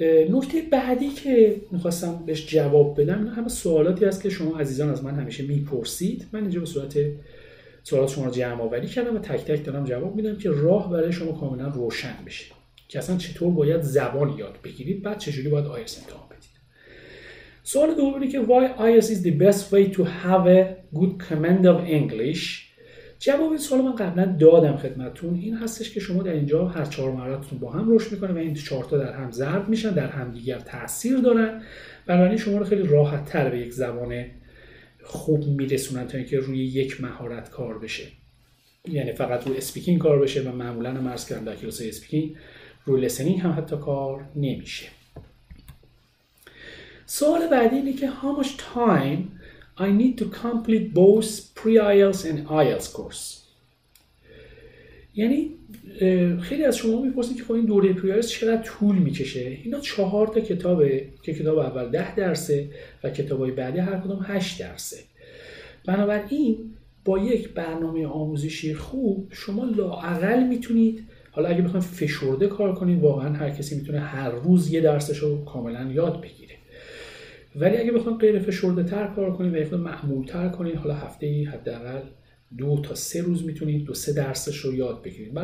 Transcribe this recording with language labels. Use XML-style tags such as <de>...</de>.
<fa>نکته بعدی که میخواستم بهش جواب بدم، اینا همه سوالاتی هست که شما عزیزان از من همیشه میپرسید. من اینجا به صورت سوالات شما رو جمع‌آوری کردم و تک تک دارم جواب میدم که راه برای شما کاملا روشن بشه که اصلا چطور باید زبان یاد بگیرید، بعد چجوری باید آیلتس امتحان بدید. سوال دوم اینه که</fa> <en>why IELTS is the best way to have a good command of English.</en> <fa>جواب این سوال من قبلا دادم خدمتتون، این هستش که شما در اینجا هر چهار مهارتتون با هم رشد میکنه و این چهار تا در هم ضرب میشن، در هم دیگر تاثیر دارن، بنابراین شما رو خیلی راحت تر به یک زبان خوب میرسونن تا اینکه روی یک مهارت کار بشه، یعنی فقط روی اسپیکینگ کار بشه و معمولا مرز کردن در کلاس اسپیکینگ روی لسنینگ هم حتی کار نمیشه. سوال بعدی اینه که</fa> <en>how much time I need to complete both pre-IELTS and IELTS course.</en> <fa>یعنی خیلی از شما میپرسید که خب این دوره پری‌آیلتس چقدر طول میکشه؟ اینا چهار تا کتابه که کتاب اول 10 درسه و کتابای بعدی هر کدوم 8 درسه. بنابراین با یک برنامه آموزشی خوب شما لااقل میتونید، حالا اگه بخواید فشرده کار کنید واقعا هر کسی میتونه هر روز یه درسشو کاملا یاد بگیره، ولی اگه بخواید غیر فشرده تر کار کنید و یه خود معمول تر کنید، حالا هفته ای حداقل 2 تا 3 روز میتونید 2-3 درسشو یاد بگیرید.</fa>